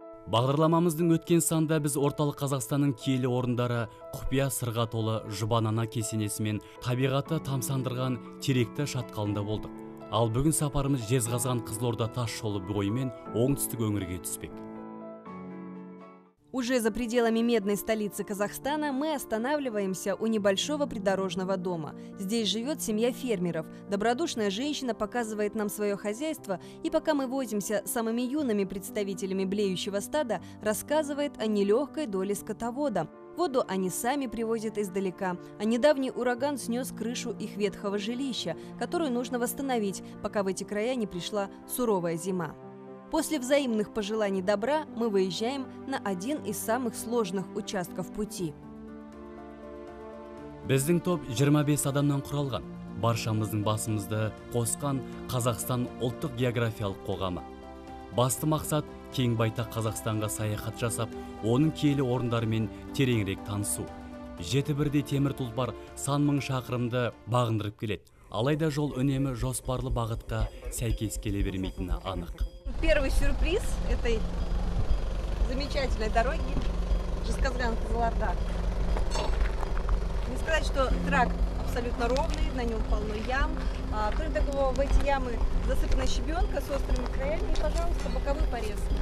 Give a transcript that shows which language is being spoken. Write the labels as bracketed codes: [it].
[kk] Бағдарламамыздың өткен санда біз орталық Қазақстанның киелі орындары, құпия сырға толы жұбанана кесенесі мен табиғаты тамсандырған теректі шатқалында болдық. Ал бүгін сапарымыз Жезқазған Қызылорда тас жолы бойымен оңтүстік өңірге түспек. [ru] Уже за пределами медной столицы Казахстана мы останавливаемся у небольшого придорожного дома. Здесь живет семья фермеров. Добродушная женщина показывает нам свое хозяйство и, пока мы возимся самыми юными представителями блеющего стада, рассказывает о нелегкой доле скотовода. Воду они сами привозят издалека, а недавний ураган снес крышу их ветхого жилища, которую нужно восстановить, пока в эти края не пришла суровая зима. После взаимных пожеланий добра мы выезжаем на один из самых сложных участков пути. [kk] Біздің топ 25 адамнан құралған, баршамыздың басымызды қосқан Қазақстан ұлттық географиялық қоғамы. Басты мақсат – кең байтақ Қазақстанға саяхат жасап, оның киелі орындарымен тереңірек танысу. Жеті бірдей темір тұлпар сан мың шақырымды бағындырып келеді. Алайда жол үнемі жоспарлы бағытқа сәйкес келе бермейтіні анық. [ru] Первый сюрприз этой замечательной дороги — Жезказган-Кызылорда. Не сказать, что тракт абсолютно ровный, на нем полно ям. Кроме того, в эти ямы засыпана щебенка с острыми краями и, пожалуйста, боковой порез.